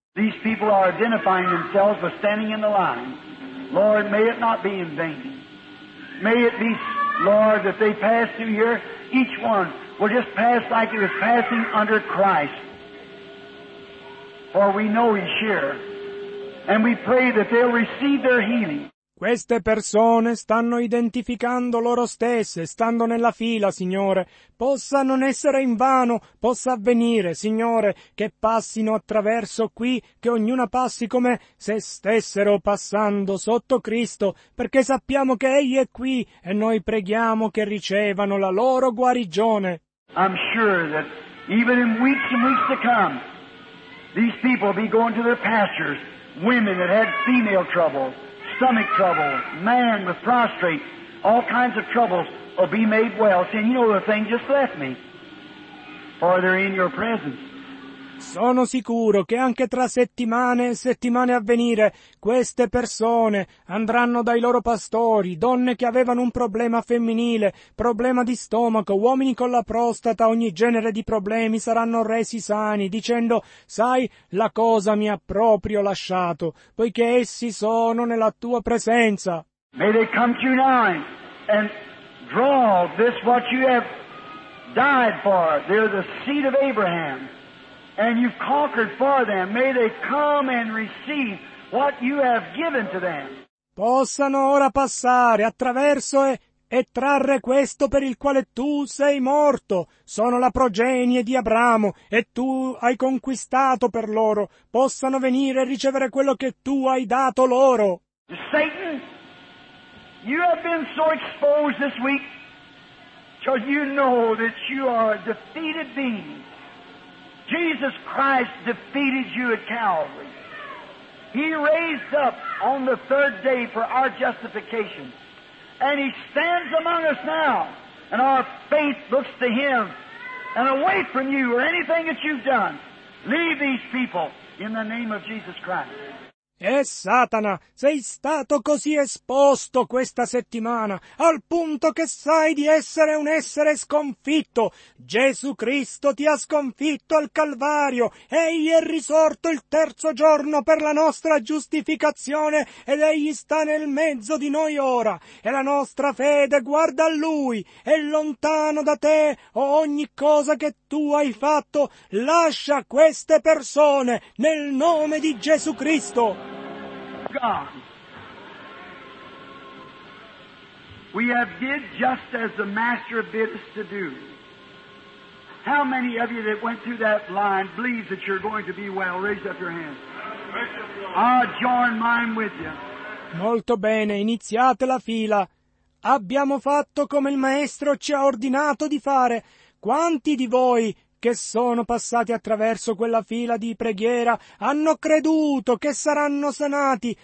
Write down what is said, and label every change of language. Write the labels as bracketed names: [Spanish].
[English] These people are identifying themselves with standing in the line. Lord, may it not be in vain. May it be, Lord, that they pass through here, each one will just pass like it was passing under Christ. For we know He's here. And we pray that they'll receive their healing. [Italian] Queste persone stanno identificando loro stesse, stando nella fila, Signore. Possa non essere in vano, possa avvenire, Signore, che passino attraverso qui, che ognuna passi come se stessero passando sotto Cristo, perché sappiamo che Egli è qui e noi preghiamo che ricevano la loro guarigione. [English] I'm sure that even in weeks and weeks to come, these people will be going to their pastors, women that had female trouble. Stomach trouble, man with prostrate, all kinds of troubles will be made well. See, and you know the thing just left me. For they're in your presence. [Italian] Sono sicuro che anche tra settimane e settimane a venire queste persone andranno dai loro pastori, donne che avevano un problema femminile, problema di stomaco, uomini con la prostata, ogni genere di problemi saranno resi sani, dicendo, sai, la cosa mi ha proprio lasciato, poiché essi sono nella tua presenza. [English] May they come to you now and draw this what you have died for. They're the seed of Abraham. And you've conquered for them. May they come and receive what you have given to them. [Italian] Possano ora passare attraverso e trarre questo per il quale tu sei morto. Sono la progenie di Abramo e tu hai conquistato per loro. Possano venire e ricevere quello che tu hai dato loro. [English] Satan, you have been so exposed this week, so you know that you are a defeated being. Jesus Christ defeated you at Calvary. He raised up on the third day for our justification. And He stands among us now. And our faith looks to Him. And away from you or anything that you've done, leave these people in the name of Jesus Christ. [Italian] E Satana, sei stato così esposto questa settimana, al punto che sai di essere un essere sconfitto. Gesù Cristo ti ha sconfitto al Calvario, Egli è risorto il terzo giorno per la nostra giustificazione ed Egli sta nel mezzo di noi ora. E la nostra fede guarda a Lui, è lontano da te o ogni cosa che tu hai fatto. Lascia queste persone nel nome di Gesù Cristo. [English] God, we have did just as the Master bid us to do. How many of you that went through that line believe that you're going to be well? Raise up your hand. I'll join mine with you. [Italian] Molto bene, iniziate la fila. Abbiamo fatto come il Maestro ci ha ordinato di fare. Quanti di voi che sono passati attraverso quella fila di preghiera hanno creduto che saranno sanati?